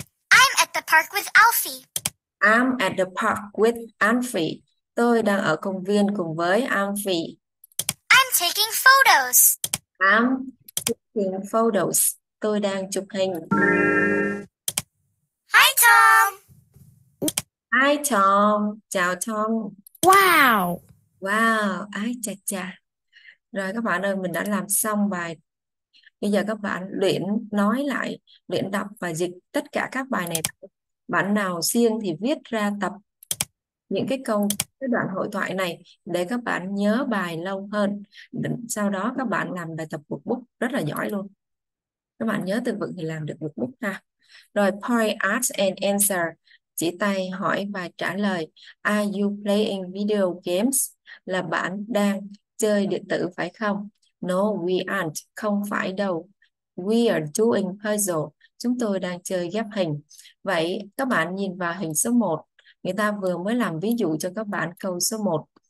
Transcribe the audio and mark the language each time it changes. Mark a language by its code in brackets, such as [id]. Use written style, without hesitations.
[en] I'm at the park with Alfie. I'm at the park with Alfie. [vi] Tôi đang ở công viên cùng với Alfie. [en] I'm taking photos. I'm taking photos. [vi] Tôi đang chụp hình. [en] Hi Tom. Hi Tom, [vi] chào Tom. [en] Wow. [vi] Wow, ái chà chà. Rồi các bạn ơi, mình đã làm xong bài. Bây giờ các bạn luyện nói lại, luyện đọc và dịch tất cả các bài này. Bạn nào siêng thì viết ra tập những cái câu, cái đoạn hội thoại này để các bạn nhớ bài lâu hơn. Sau đó các bạn làm bài tập workbook rất là giỏi luôn. Các bạn nhớ từ vựng thì làm được workbook ha. Rồi, [en] point, ask and answer. [vi] Chỉ tay hỏi và trả lời. [en] Are you playing video games? [vi] Là bạn đang chơi điện tử phải không? [en] No, we aren't. [vi] Không phải đâu. [en] We are doing puzzle. [vi] Chúng tôi đang chơi ghép hình. Vậy các bạn nhìn vào hình số 1. Người ta vừa mới làm ví dụ cho các bạn câu số 1.